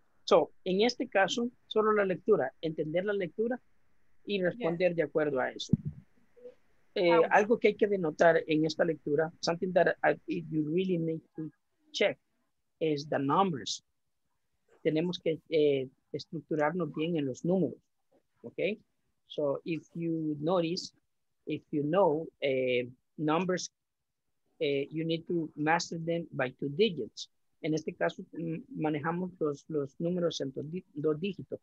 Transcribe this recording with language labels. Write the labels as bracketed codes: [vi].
[es] So, en este caso, solo la lectura, entender la lectura y responder de acuerdo a eso. Algo que hay que denotar en esta lectura, [en] something that you really need to check, is the numbers. [es] Tenemos que estructurarnos bien en los números, okay? [en] So if you notice, if you know numbers, you need to master them by 2 digits. [es] En este caso, manejamos los números en 2 dígitos.